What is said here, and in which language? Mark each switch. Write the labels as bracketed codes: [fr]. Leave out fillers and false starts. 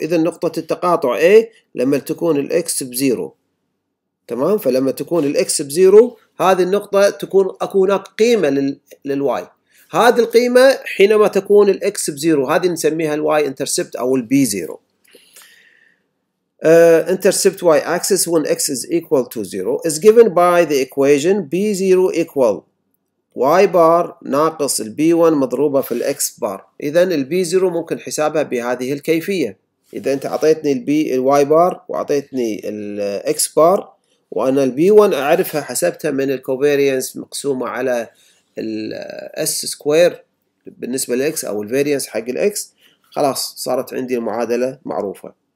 [ar] إذا نقطة التقاطع A لما تكون الx بزيرو، تمام؟ فلما تكون الاكس بزيرو هذه النقطة تكون هناك قيمة للواي. هذه القيمة حينما تكون الاكس بزيرو هذه نسميها الواي انترسبت او البي زيرو. [en] intercept y axis when x is equal to zero is given by the equation b zero equal y bar [ar] ناقص البي 1 مضروبة في الاكس بار. اذا البي زيرو ممكن حسابها بهذه الكيفية. اذا انت اعطيتني البي الواي بار واعطيتني الاكس بار وأنا الـ B1 أعرفها حسبتها من الـ covariance مقسومة على الـ S سكوير بالنسبة للـ X أو الـ variance حق الـ X، خلاص صارت عندي المعادلة معروفة.